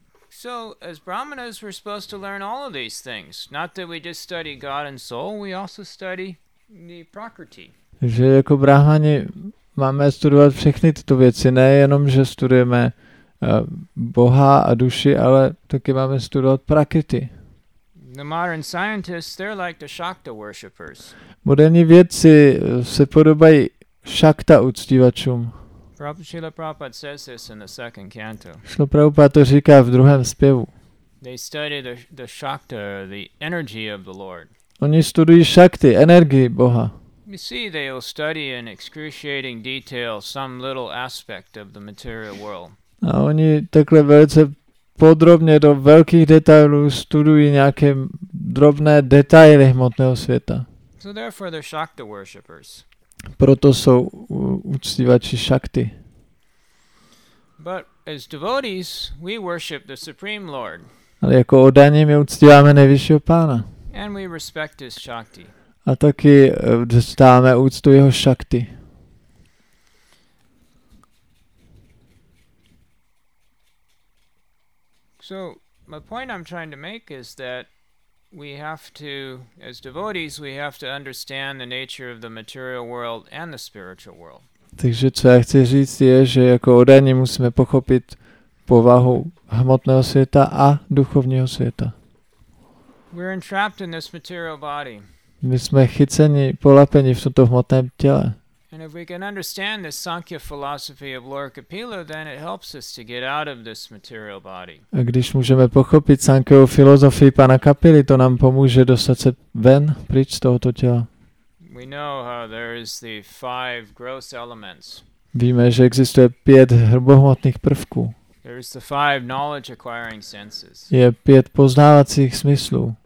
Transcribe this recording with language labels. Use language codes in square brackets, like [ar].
[en] So as brahmanas we're supposed to learn all of these things, not that we just study God and soul, we also study the prakriti. [cs] Že jako brahmani máme studovat všechny tyto věci, ne jenom že studujeme Boha a duši, ale taky máme studovat prakriti. [en] The modern scientists, they're like the shakta worshippers. [cs] Moderní vědci se podobají šakta uctívačům. [en] Srila Prabhupada says this in the second canto. [cs] Srila Prabhupada to říká v druhém zpěvu. [en] They study the shakta, the energy of the Lord. [cs] Oni studují šakty, energii Boha. [en] You see, they will study in excruciating detail some little aspect of the material world. [cs] A oni takhle velice podrobně do velkých detailů studují nějaké drobné detaily hmotného světa. [en] So therefore the shakta worshippers. [cs] Proto jsou uctívači šakty. [en] But as devotees, we worship the Supreme Lord. [cs] Ale jako oddaní my uctíváme nejvyššího pána. [en] And we respect his shakti. [cs] A taky dostáváme úctu jeho šakty. [en] So, my point I'm trying to make is that we have to, as devotees, we have to understand the nature of the material world and the spiritual world. [cs] Takže co já chci říct je, že jako oddaní musíme pochopit povahu hmotného světa a duchovního světa. [en] We're entrapped in this material body. [cs] My jsme chyceni, polapeni v tomto hmotném těle. [en] And if we can understand the Sankhya philosophy of Lord Kapila, then it helps us to get out of this material body. [cs] A když můžeme pochopit Sankhyovu filozofii pana Kapily, to nám pomůže dostat se ven, pryč z tohoto těla. [en] We know how there is the five gross elements. [cs] Víme, že existuje pět hrubohmotných prvků. [en] There is the five knowledge acquiring senses. [cs] Je pět poznávacích smyslů.